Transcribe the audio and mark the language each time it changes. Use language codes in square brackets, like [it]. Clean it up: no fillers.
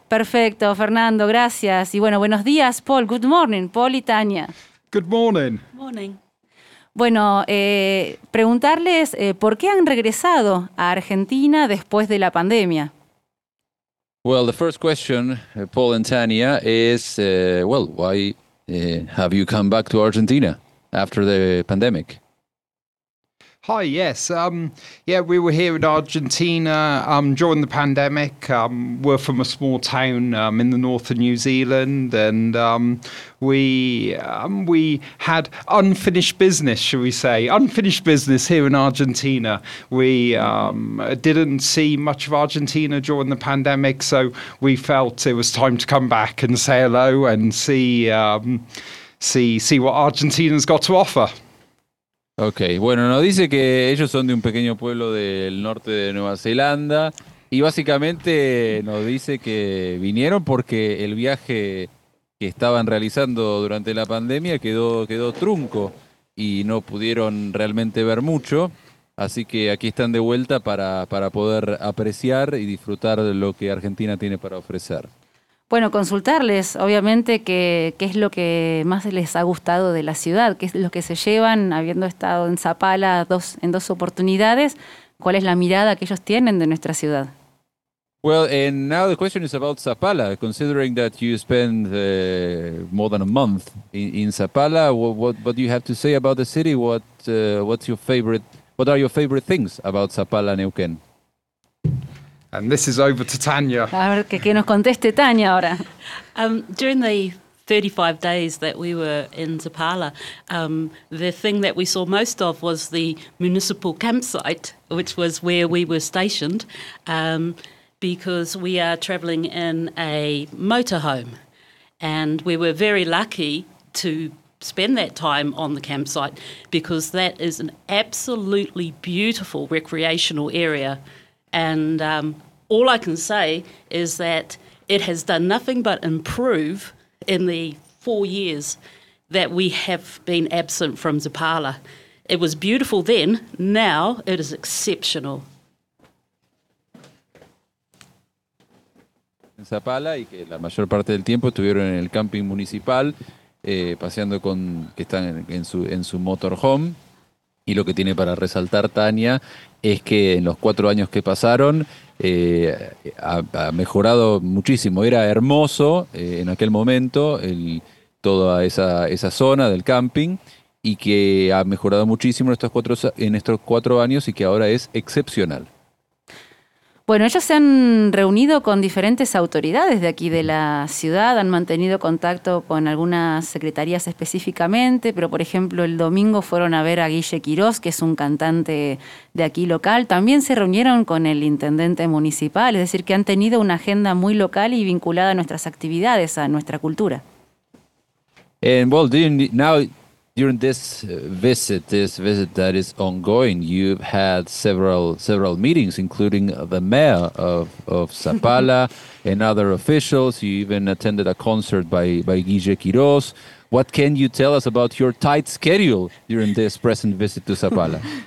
[es] Perfecto, Fernando, gracias. Y bueno, buenos días, Paul. [en] Good morning, Paul y Tania. Good morning. Morning. [es] Bueno, preguntarles por qué han regresado a Argentina después de la pandemia. [en] Well, the first question, Paul and Tania, is well, why have you come back to Argentina after the pandemic? Hi, yes. We were here in Argentina during the pandemic. We're from a small town in the north of New Zealand, and we had unfinished business, shall we say, unfinished business here in Argentina. We didn't see much of Argentina during the pandemic, so we felt it was time to come back and say hello and see what Argentina's got to offer. [es] Okay, bueno, nos dice que ellos son de un pequeño pueblo del norte de Nueva Zelanda y básicamente nos dice que vinieron porque el viaje que estaban realizando durante la pandemia quedó trunco y no pudieron realmente ver mucho, así que aquí están de vuelta para poder apreciar y disfrutar de lo que Argentina tiene para ofrecer. Bueno, consultarles, obviamente, qué es lo que más les ha gustado de la ciudad, qué es lo que se llevan, habiendo estado en Zapala en dos oportunidades, cuál es la mirada que ellos tienen de nuestra ciudad. [en] Well, and now the question is about Zapala. Considering that you spend more than a month in Zapala, what do you have to say about the city? What are your favorite things about Zapala, And this is over to Tanya. [es] A ver, que nos conteste Tania ahora. [en] During the 35 days that we were in Zapala, the thing that we saw most of was the municipal campsite, which was where we were stationed, because we are travelling in a motorhome. And we were very lucky to spend that time on the campsite because that is an absolutely beautiful recreational area. And all I can say is that it has done nothing but improve in the 4 years that we have been absent from Zapala. It was beautiful then, now it is exceptional. [es] En Zapala y que la mayor parte del tiempo estuvieron en el camping municipal, paseando con que están en su motorhome. Y lo que tiene para resaltar Tania es que en los 4 años que pasaron ha mejorado muchísimo. Era hermoso en aquel momento toda esa zona del camping y que ha mejorado muchísimo en estos 4 años y que ahora es excepcional. Bueno, ellos se han reunido con diferentes autoridades de aquí de la ciudad, han mantenido contacto con algunas secretarías específicamente, pero por ejemplo el domingo fueron a ver a Guille Quirós, que es un cantante de aquí local. También se reunieron con el intendente municipal, es decir, que han tenido una agenda muy local y vinculada a nuestras actividades, a nuestra cultura. [en] And well, during this visit that is ongoing, you've had several meetings, including the mayor of Zapala and other officials. You even attended a concert by Guille Quirós. What can you tell us about your tight schedule during this present visit to Zapala?